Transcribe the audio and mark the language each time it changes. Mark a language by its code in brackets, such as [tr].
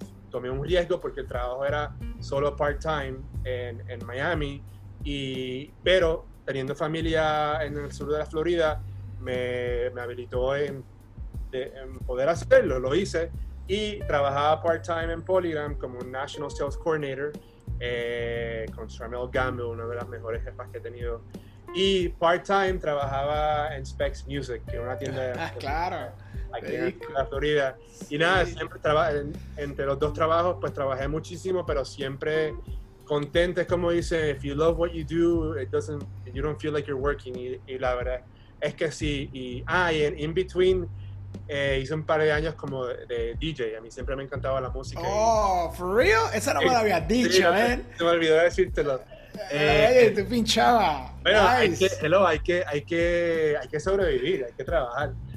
[es] tomé un riesgo porque el trabajo era solo part-time en Miami, pero teniendo familia en el sur de la Florida, me habilitó en poder hacerlo, lo hice, y trabajaba part-time en Polygram como un National Sales Coordinator con Sharmel Gamble, una de las mejores jefas que he tenido. Y part-time trabajaba en Specs Music, que es una tienda claro, aquí en la Florida. Y nada, siempre entre los dos trabajos, pues trabajé muchísimo, pero siempre contento. Es como dice, [en] if you love what you do, you don't feel like you're working. [es] Y la verdad es que sí. Y [en] in between, [es] hice un par de años como de DJ. A mí siempre me encantaba la música. Oh, [en] ¿for real? [es] Eso no me lo había dicho, man. Se me olvidó decírtelo. Te pinchaba. Bueno, nice. Hay que sobrevivir, hay que trabajar.